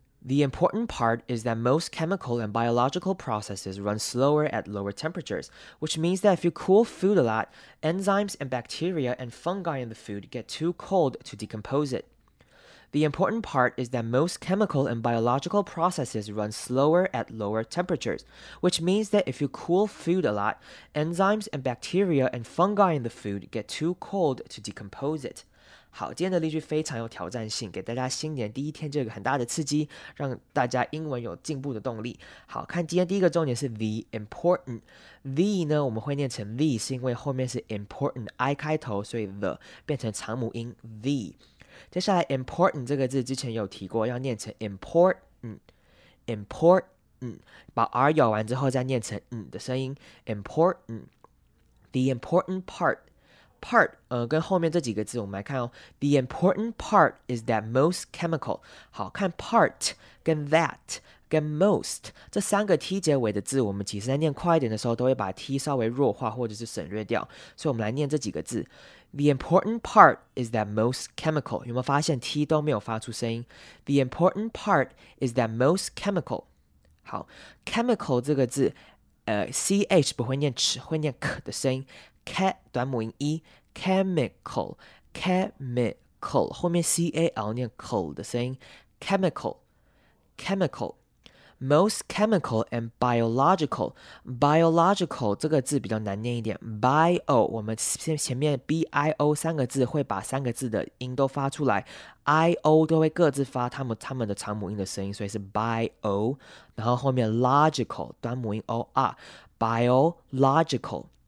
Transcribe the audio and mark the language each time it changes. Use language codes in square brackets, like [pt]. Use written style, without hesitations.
[en] The important part is that most chemical and biological processes run slower at lower temperatures, which means that if you cool food a lot, enzymes and bacteria and fungi in the food get too cold to decompose it. The important part is that most chemical and biological processes run slower at lower temperatures, which means that if you cool food a lot, enzymes and bacteria and fungi in the food get too cold to decompose it. [zh] 好，今天的例句非常有挑战性，给大家新年第一天就有个很大的刺激，让大家英文有进步的动力。好，看今天第一个重点是 [en] the important。 [zh] the 呢，我们会念成 the， 是因为后面是 important， I 开头，所以 the 变成长母音 the。接下来 important 这个字之前有提过，要念成 important， important， 把 r 咬完之后再念成 n 的声音 important。 [en] the important partPart， [zh] 跟后面这几个字我们来看哦。 [en] The important part is that most chemical。 [zh] 好，看 part 跟 that 跟 most 这三个 T 结尾的字，我们其实在念快一点的时候，都会把 T 稍微弱化或者是省略掉。所以我们来念这几个字。 [en] The important part is that most chemical。 [zh] 有没有发现 T 都没有发出声音 [en] ？The important part is that most chemical。 [zh] 好 ，chemical 这个字，CH 不会念齿，会念 k 的声音。 K 短母音 e，chemical，chemical， 后面 c a l 念 col 的声音 ，chemical，chemical。 [en] Most chemical and biological， [zh] biological 这个字比较难念一点 ，bio， 我们前面 b i o 三个字会把三个字的音都发出来 ，i o 都会各自发他们的长母音的声音，所以是 bio， 然后后面 logical 短母音 o r，biological。